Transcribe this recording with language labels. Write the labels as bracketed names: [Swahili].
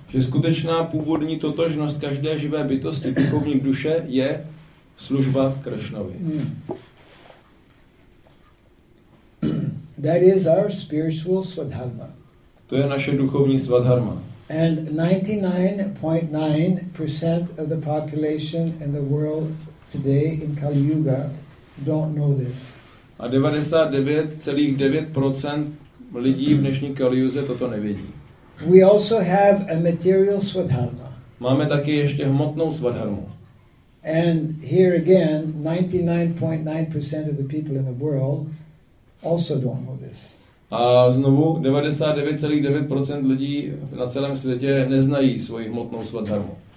[Czech] Že skutečná původní totožnost každé živé bytosti, duchovní duše je služba Krishnovi. [English] That is our spiritual swadharma. [Czech] To je naše duchovní svadharma. [English] And 99.9% of the population in the world today in Kali Yuga don't know this. [Czech] A 99.9% lidí v dnešní Kali Yuze toto nevědí. [English] We also have a material swadharma. [Czech] Máme taky ještě hmotnou svadharmu. [English] And here again, 99.9% of the people in the world also don't know this. [Czech] A znovu 99.9% lidí na celém světě neznají svoji hmotnou svadharmu.